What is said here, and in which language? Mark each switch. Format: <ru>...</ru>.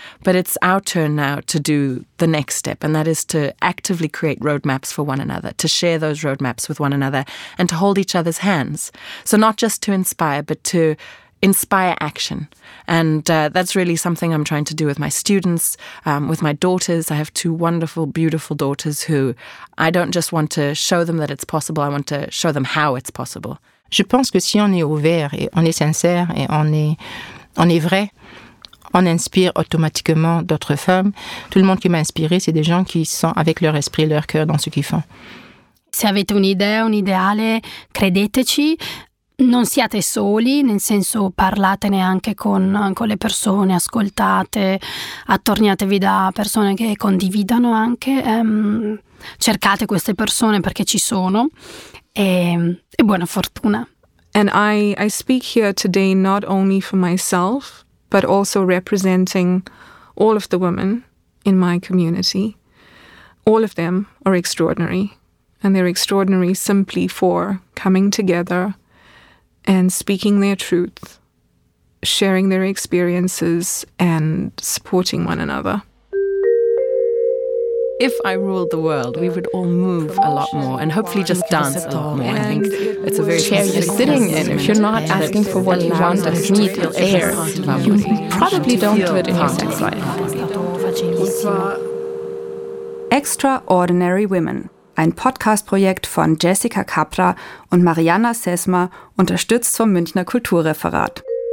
<en>But it's our turn now to do the next step, and that is to actively create roadmaps for one another, to share those roadmaps with one another, and to hold each other's hands. So not just to inspire, but to inspire action. And that's really something I'm trying to do with my students, with my daughters. I have two wonderful, beautiful daughters who I don't just want to show them that it's possible, I want to show them how it's possible.</en> <fr>Je pense que si on est ouvert, et on est sincère, et on est vrai, on inspire automatiquement d'autres femmes. Tout le monde qui m'a inspirée, c'est des gens qui sont avec leur esprit, leur cœur dans ce qu'ils font.</fr> <it>Se avete un'idea, un ideale, credeteci. non siate soli, nel senso parlatene anche con le persone, ascoltate, attorniatevi da persone che condividano anche, cercate queste persone perché ci sono e buona fortuna.</it> <en>And I speak here today not only for myself, but also representing all of the women in my community. All of them are extraordinary, and they're extraordinary simply for coming together and speaking their truth, sharing their experiences, and supporting one another. If I ruled the world, we would all move a lot more and hopefully just dance a lot more. I think it's a very you're sitting in. If you're not asking for what you want of me, you probably don't do it in your sex life.</en> <de>Extraordinary Women, ein Podcast-Projekt von Jessica Capra und Mariana Sesma, unterstützt vom Münchner Kulturreferat.</de>